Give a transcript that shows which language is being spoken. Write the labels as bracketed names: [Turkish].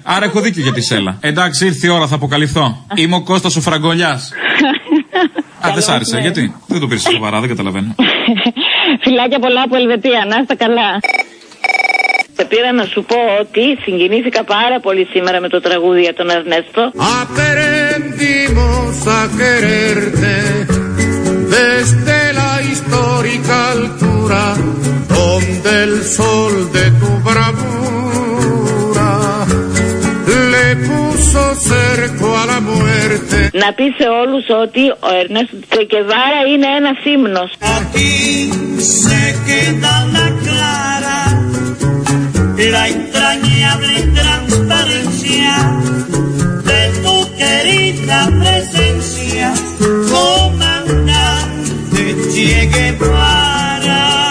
[Greek] Άρα έχω δίκιο για τη σέλα. Εντάξει, ήρθε η ώρα, θα αποκαλυφθώ. Είμαι ο Κώστας ο Φραγκολιάς. Α, δεν σ' άρεσε. Γιατί? Δεν το πήρες σοβαρά, δεν καταλαβαίνω. Φιλάκια πολλά από Ελβετία. Να είστε καλά. Σε πήρα να σου πω ότι συγκινήθηκα πάρα πολύ σήμερα με το τραγούδι για τον Ερνέστο. [Spanish] Aprendimos a quererte desde la histórica altura donde el sol de tu bravura le puso cerco a la muerte. [Greek] Να πεις σε όλους ότι ο Ερνέστο Τσε Γκεβάρα είναι ένας ύμνος. [Spanish] Aquí se queda la clara. La entrañable transparencia de tu querida presencia, comandante Che Guevara.